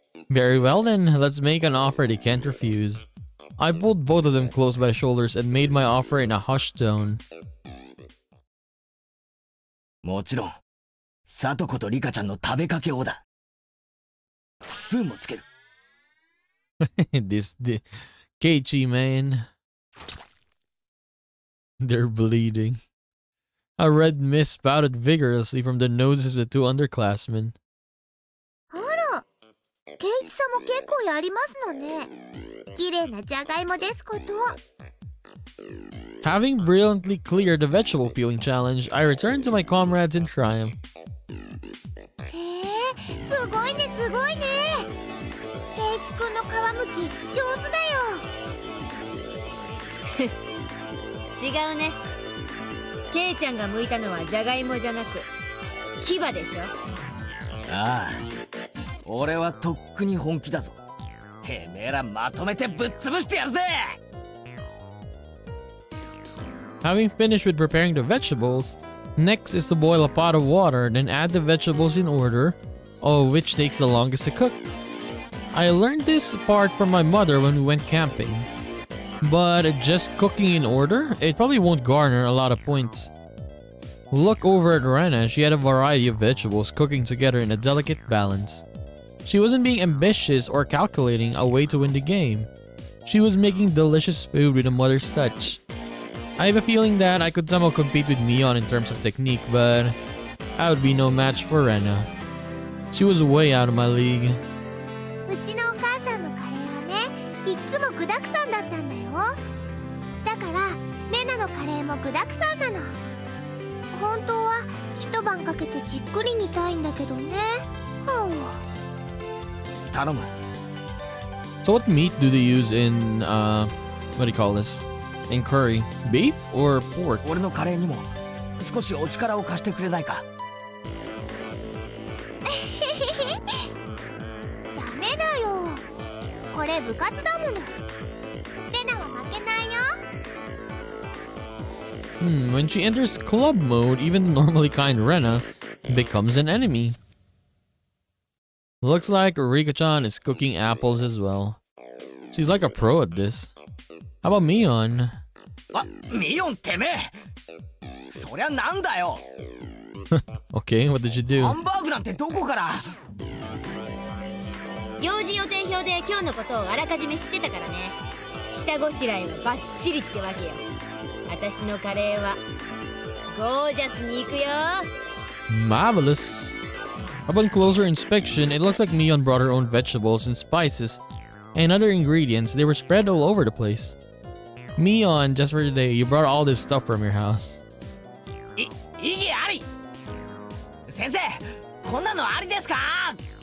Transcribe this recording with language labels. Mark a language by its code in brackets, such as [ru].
[en] Very well then, let's make an offer they can't refuse. I pulled both of them close by the shoulders and made my offer in a hushed tone. [ja] もちろん、サトコとリカちゃんの食べかけをだ。スプーンもつける。 [en] This Keiichi man. They're bleeding. A red mist spouted vigorously from the noses of the two underclassmen. [ja] あら、ケイチさんも結構やりますのね。綺麗なジャガイモですこと。 [en] Having brilliantly cleared the vegetable peeling challenge, I returned to my comrades in triumph. [ja] へえ、すごいね、すごいね。ケイチ君の皮むき、上手だよ。違うね。ケイちゃんが剥いたのはジャガイモじゃなく、牙でしょ。ああ、俺はとっくに本気だぞ。てめえらまとめてぶっ潰してやるぜ。 [en] Having finished with preparing the vegetables, next is to boil a pot of water, then add the vegetables in order, all of which takes the longest to cook. I learned this part from my mother when we went camping. But just cooking in order, it probably won't garner a lot of points. Look over at Rena, she had a variety of vegetables cooking together in a delicate balance. She wasn't being ambitious or calculating a way to win the game. She was making delicious food with a mother's touch. I have a feeling that I could somehow compete with Mion in terms of technique, but I would be no match for Rena. She was way out of my league. [ja] うちのお母さんのカレーはね、いつも具だくさんだったんだよ。だから、レナのカレーも具だくさんなの。本当は一晩かけてじっくり煮たいんだけどね。はぁ。頼む。 [en] So what meat do they use in, what do you call this? And curry, beef or pork? [ja] 俺のカレーにも少しお力を貸してくれないか。ダメだよ。これ部活だもの。レナは負けないよ。 [en] When she enters club mode, even the normally kind Rena becomes an enemy. Looks like Rika-chan is cooking apples as well. She's like a pro at this. How about Mion? [ja] あ、ミヨンてめえ、そりゃなんだよ。 [en] Okay, what did you do? [ja] ハンバーグなんてどこから。用事予定表で今日のことをあらかじめ知ってたからね。下ごしらえはバッチリってわけよ。私のカレーはゴージャスに行くよ。 [en] Marvelous. Upon closer inspection, it looks like Mion brought her own vegetables and spices and other ingredients. They were spread all over the place. Mion, just for today, you brought all this stuff from your house. [ja] Igi-ari! Sensei, konna no ari desu ka?